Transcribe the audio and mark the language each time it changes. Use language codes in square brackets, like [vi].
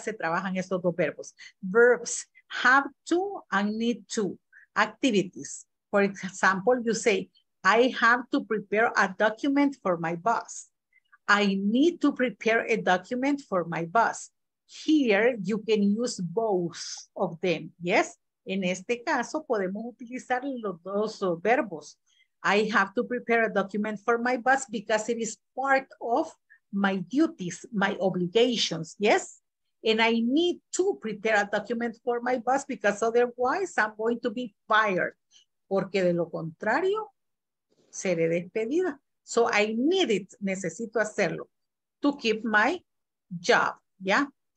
[es] Se trabajan estos dos verbos. [en] Verbs, have to and need to. Activities, for example, you say, I have to prepare a document for my boss. I need to prepare a document for my boss. Here, you can use both of them, yes? [es] En este caso, podemos utilizar los dos verbos. [en] I have to prepare a document for my boss because it is part of my duties, my obligations, yes? And I need to prepare a document for my boss because otherwise I'm going to be fired. [es] Porque de lo contrario, seré despedida. [en] So I need it, [es] necesito hacerlo, [en] to keep my job, ¿ya?